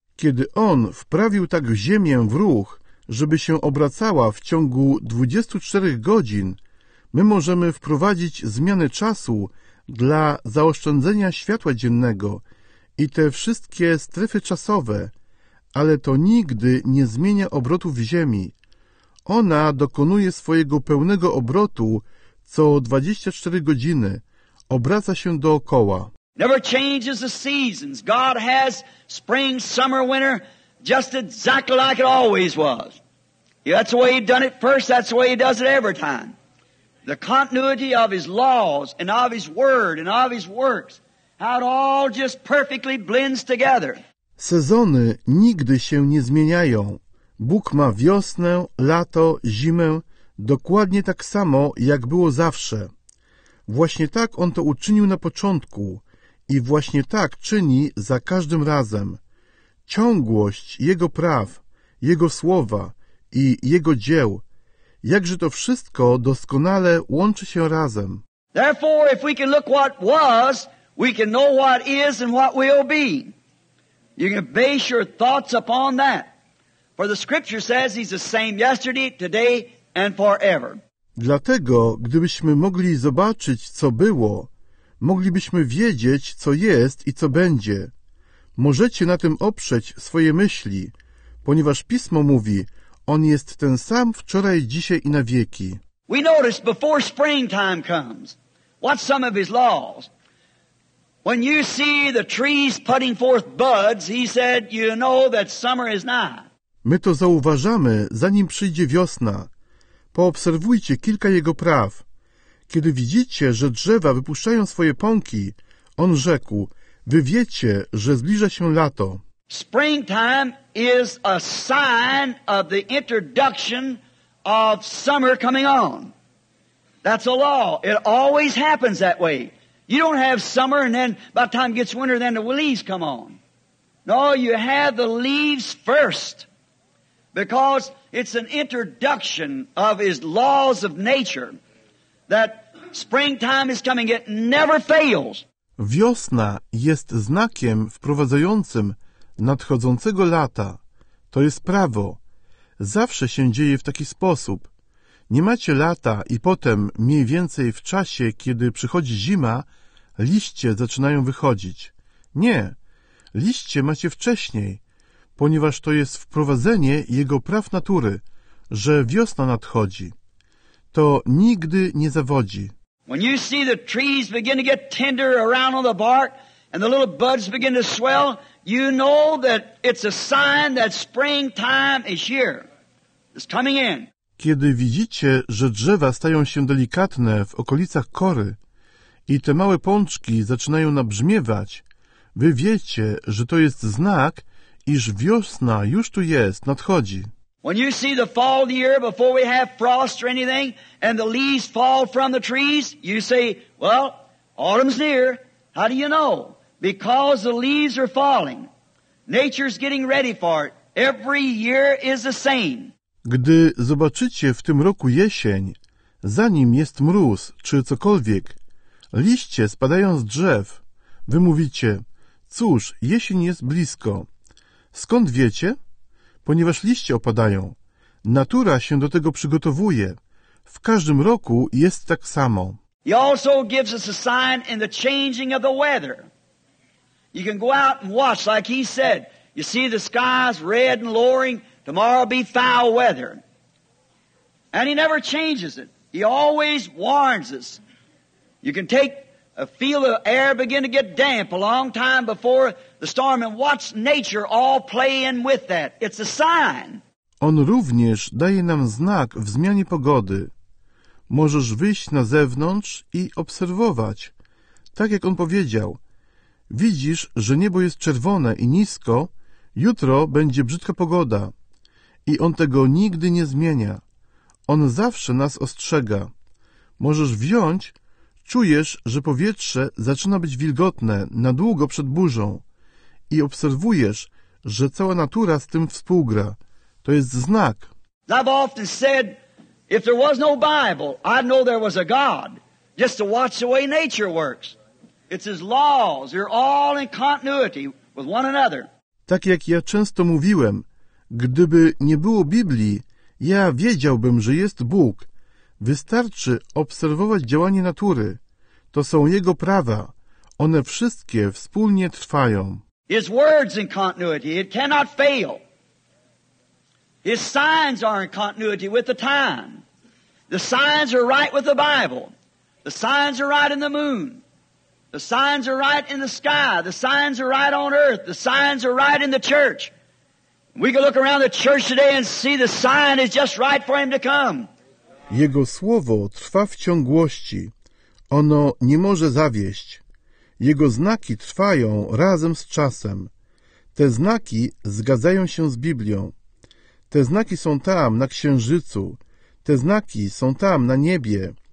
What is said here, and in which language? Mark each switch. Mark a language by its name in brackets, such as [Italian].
[Polish] Kiedy On wprawił tak ziemię w ruch, żeby się obracała w ciągu 24 godzin, my możemy wprowadzić zmiany czasu dla zaoszczędzenia światła dziennego i te wszystkie strefy czasowe, ale to nigdy nie zmienia obrotów Ziemi. Ona dokonuje swojego pełnego obrotu co 24 godziny, obraca się dookoła. [English] Never changes the seasons. God has spring, summer, winter, just exactly like it always was. Yeah, that's the way He done it first, that's the way He does it every time. The continuity of His laws and of His word and of His works. How it all just perfectly blends together. [Polish] Sezony nigdy się nie zmieniają. Bóg ma wiosnę, lato, zimę, dokładnie tak samo, jak było zawsze. Właśnie tak On to uczynił na początku i właśnie tak czyni za każdym razem. Ciągłość Jego praw, Jego słowa i Jego dzieł. Jakże to wszystko doskonale łączy się razem. [English] Therefore, if we can look what was, we can know what is and what will be. You can base your thoughts upon that. For the scripture says He's the same yesterday, today and forever. [Polish] Dlatego, gdybyśmy mogli zobaczyć, co było, moglibyśmy wiedzieć, co jest i co będzie. Możecie na tym oprzeć swoje myśli, ponieważ Pismo mówi, On jest ten sam wczoraj, dzisiaj i na wieki. [English] We notice before springtime comes, what's some of his laws? When you see the trees putting forth buds, he said, you know that summer is nigh. [Polish] My to zauważamy, zanim przyjdzie wiosna. Poobserwujcie kilka jego praw. Kiedy widzicie, że drzewa wypuszczają swoje pąki, on rzekł, wy wiecie, że zbliża się lato. [English] Springtime is a sign of the introduction of summer coming on. That's a law. It always happens that way. You don't have summer and then by the time it gets winter, then the leaves come on. No, you have the leaves first. Because it's an introduction of his laws of nature that springtime is coming. It never fails. [Polish] Wiosna jest znakiem wprowadzającym nadchodzącego lata. To jest prawo. Zawsze się dzieje w taki sposób. Nie macie lata i potem, mniej więcej w czasie, kiedy przychodzi zima, liście zaczynają wychodzić. Nie, liście macie wcześniej, ponieważ to jest wprowadzenie jego praw natury, że wiosna nadchodzi. To nigdy nie zawodzi. [English] When you see the trees begin to get tender around on the bark and the little buds begin to swell, you know that it's a sign that springtime is here. It's coming in. [Polish] Kiedy widzicie, że drzewa stają się delikatne w okolicach kory i te małe pączki zaczynają nabrzmiewać, wy wiecie, że to jest znak, iż wiosna już tu jest, nadchodzi. [English] When you see the fall of the year before we have frost or anything, and the leaves fall from the trees, you say, well, autumn's near. How do you know? Because the leaves are falling. Nature's getting ready for it. Every year is the same. [Polish] Gdy zobaczycie w tym roku jesień, zanim jest mróz czy cokolwiek, liście spadają z drzew, wy mówicie, cóż, jesień jest blisko. Skąd wiecie? Ponieważ liście opadają. Natura się do tego przygotowuje. W każdym roku jest tak samo. [English] He also gives us a sign in the changing of the weather. You can go out and watch, like he said. You see the skies red and lowering. Tomorrow be foul weather. And he never changes it. He always warns us. You can take a feel of air begin to get damp a long time before the storm and watch nature all play in with that. It's a sign. [Polish] On również daje nam znak w zmianie pogody. Możesz wyjść na zewnątrz i obserwować. Tak jak on powiedział, widzisz, że niebo jest czerwone i nisko, jutro będzie brzydka pogoda. I on tego nigdy nie zmienia. On zawsze nas ostrzega. Możesz wziąć, czujesz, że powietrze zaczyna być wilgotne na długo przed burzą i obserwujesz, że cała natura z tym współgra. To jest znak. [English] I've often said, if there was no Bible, I'd know there was a God, just to watch the way nature works. It's his laws. They're all in continuity with one another. [Polish] Tak jak ja często mówiłem, gdyby nie było Biblii, ja wiedziałbym, że jest Bóg. Wystarczy obserwować działanie natury. To są jego prawa. One wszystkie wspólnie trwają. [English] His words in continuity, it cannot fail. His signs are in continuity with the time. The signs are right with the Bible. The signs are right in the moon. The signs are right in the sky. The signs are right on earth. The signs are right in the church. We can look around the church today and see the sign is just right for him to come. [Polish] Jego słowo trwa w ciągłości. Ono nie może zawieść. Jego znaki trwają razem z czasem. Te znaki zgadzają się z Biblią. Te znaki są tam na księżycu. Te znaki są tam na niebie.